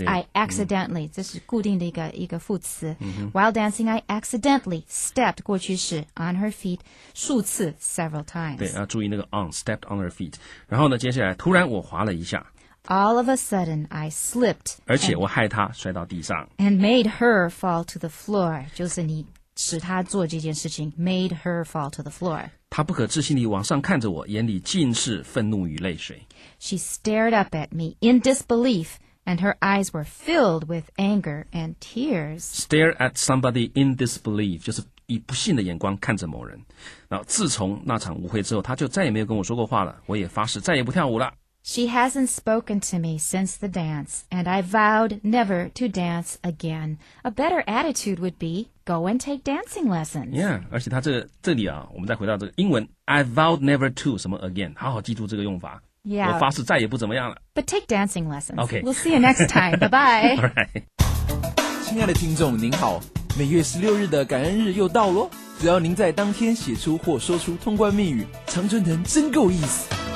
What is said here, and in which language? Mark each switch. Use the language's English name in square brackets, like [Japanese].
[Chinese] 对对 [English] I accidentally.、 [Chinese] 嗯、这是固定的一个副词、嗯。 [English] While dancing, I accidentally stepped [Chinese] 过去式 [English] on her feet [Chinese] 数次 [English] several times. [Chinese] 对，要注意那个 on, [English] stepped on her feet. [Chinese] 然后呢，接下来突然我滑了一下。 [English] All of a sudden, I slipped. [Chinese] 而且我害她摔到地上。 [English] And made her fall to the floor. [Chinese] 就是你使他做这件事情 [English] made her fall to the floor. [Chinese] 他不可置信地往上看着我，眼里尽是愤怒与泪水。 [English] She stared up at me in disbelief, and her eyes were filled with anger and tears. Stare at somebody in disbelief [Chinese] 就是以不信的眼光看着某人。那自从那场舞会之后，他就再也没有跟我说过话了。我也发誓再也不跳舞了。 [English] She hasn't spoken to me since the dance, and I vowed never to dance again. A better attitude would be go and take dancing lessons. [Chinese] Yeah, 而且他这里啊，我们再回到这个英文 [English] I vowed never to [Chinese] 什么 again， 好好记住这个用法。 [English] Yeah, [Chinese] 我发誓再也不怎么样了。 [English] But take dancing lessons. Okay, we'll see you next time. Bye bye. All right. [Chinese] 亲爱的听众您好，每月16日的感恩日又到咯，只要您在当天写出或说出通关密语，常春藤真够意思。